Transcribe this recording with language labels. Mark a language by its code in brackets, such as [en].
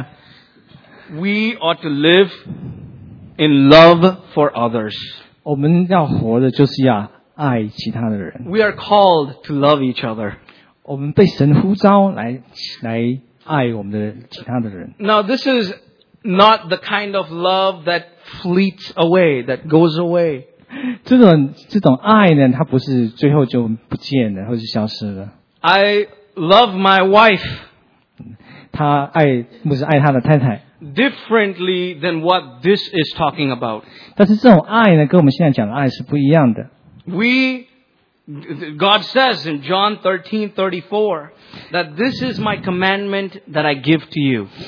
[zh] 这真的是最后一点啊。 [en] We ought to live in love for others. [zh] 我们要活的就是要爱其他的人。 [en] We are called to love each other. [zh] 我们被神呼召来爱我们的其他的人。 [en] Now this is not the kind of love that fleets away, that goes away. [zh] 这种爱呢，它不是最后就不见了，或是消失了。 [en] I love my wife. [zh] 他爱，不是爱他的太太。 [en] Differently than what this is talking about. [zh] 但是这种爱呢，跟我们现在讲的爱是不一样的。 [en] God says in John 13:34 that this is my commandment that I give to you.